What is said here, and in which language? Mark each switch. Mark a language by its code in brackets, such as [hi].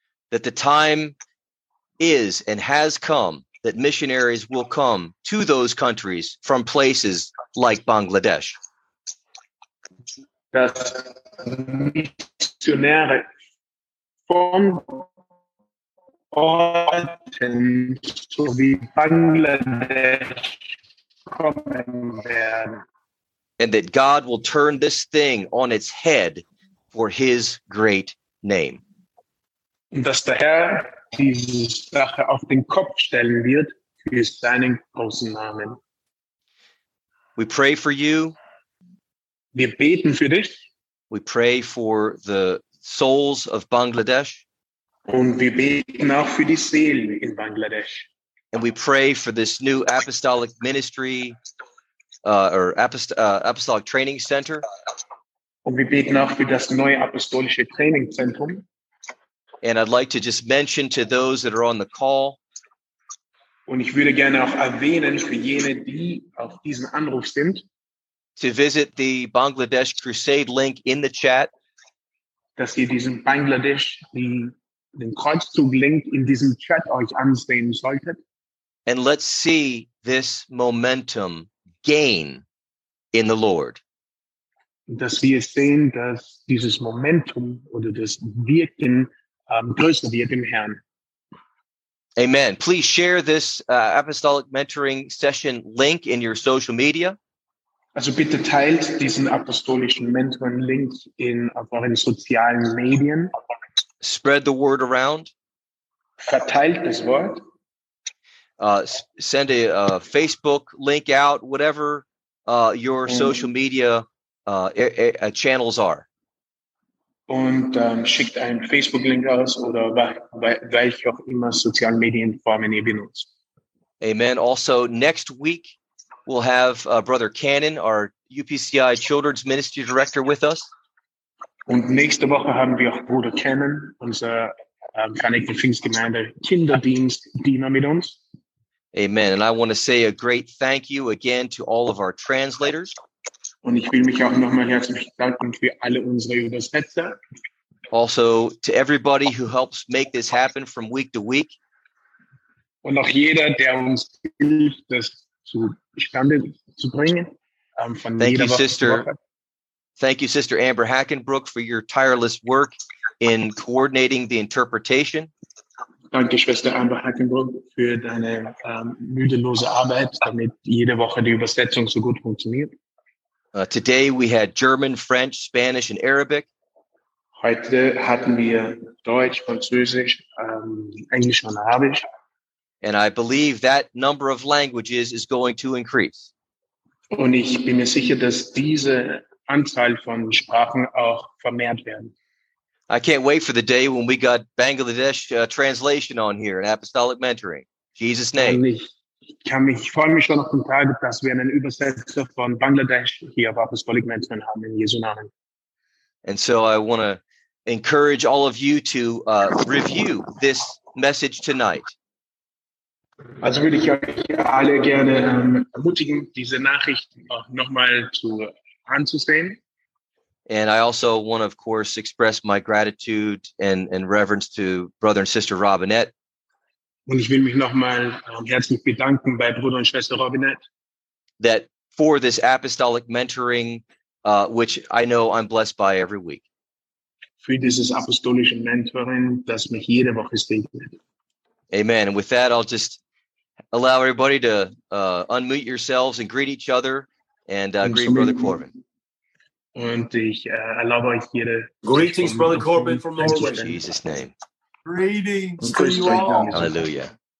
[en] that the time is and has come that missionaries will come to those countries from places like Bangladesh. [de] Dass Missionäre von Orten so wie Bangladesch kommen werden. [en] And that God will turn this thing on its head for his great name. [de] Dass der Herr diese Sache auf den Kopf stellen wird für seinen großen Namen. [en] We pray for you. [de] Wir beten für dich. [en] We pray for the souls of Bangladesh. [de] Und wir beten auch für die Seelen in Bangladesch. [en] And we pray for this new apostolic ministry apostolic training center. [de] Und wir beten auch für das neue apostolische Trainingszentrum. [en] And I'd like to just mention to those that are on the call. [de] Und ich würde gerne auch erwähnen für jene, die auf diesen Anruf sind. [en] To visit the Bangladesh Crusade link in the chat. [de] Dass ihr diesen Bangladesch, den Kreuzzug-Link in diesem Chat euch ansehen solltet. [en] And let's see this momentum gain in the Lord. [de] Dass wir sehen, dass dieses Momentum oder das Wirken größer wird im Herrn. [en] Amen. Please share this apostolic mentoring session link in your social media. [de] Also bitte teilt diesen apostolischen Mentoring link auf euren sozialen Medien. [en] Spread the word around. [de] Verteilt das Wort. [en] Send a Facebook link out, whatever your social media channels are. [de] Und schickt einen Facebook-Link aus oder welche auch immer sozialen Medienformen ihr benutzt. [en] Amen. Also, next week we'll have Brother Cannon, our UPCI Children's Ministry Director, with us. [de] Und nächste Woche haben wir auch Bruder Cannon, unser Vereinigten Pfingstgemeinde Kinderdienstdiener, mit uns. [en] Amen. And I want to say a great thank you again to all of our translators. [de] Und ich will mich auch nochmal herzlich bedanken für alle unsere Übersetzer. [en] Also to everybody who helps make this happen from week to week. [de] Und auch jeder, der uns hilft, das zustande zu bringen. [en] Thank you, Sister Amber Hackenbrook, for your tireless work in coordinating the interpretation. [de] Danke, Schwester Amber Hackenbrook, für deine müdelose Arbeit, damit jede Woche die Übersetzung so gut funktioniert. [en] Today we had German, French, Spanish, and Arabic. [de] Heute hatten wir Deutsch, Französisch, Englisch und Arabisch. [en] And I believe that number of languages is going to increase. [de] Und ich bin mir sicher, dass diese Anzahl von Sprachen auch vermehrt werden. [en] I can't wait for the day when we got Bangladesh translation on here in Apostolic Mentoring. Jesus' name. [de] Ich freue mich schon auf den Tag, dass wir einen Übersetzer von Bangladesch hier auf Apostolic Mentoring haben, in Jesu Namen. [en] And so I want to encourage all of you to review this message tonight. [de] Also würde ich euch alle gerne ermutigen, diese Nachricht nochmal anzusehen. [en] And I also want to, of course, express my gratitude and reverence to Brother and Sister Robinette. [de] Und ich will mich nochmal herzlich bedanken bei Bruder und Schwester Robinette. [en] That for this apostolic mentoring, which I know I'm blessed by every week. [de] für dieses apostolische Mentoring, das mir jede Woche steht. [en] Amen. And with that, I'll just allow everybody to unmute yourselves and greet each other and greet Brother Corbin. [de] Und ich erlaube euch jede [en] Greetings, Brother Corbin from Norway. In Jesus' name. Greetings to you all. Hallelujah.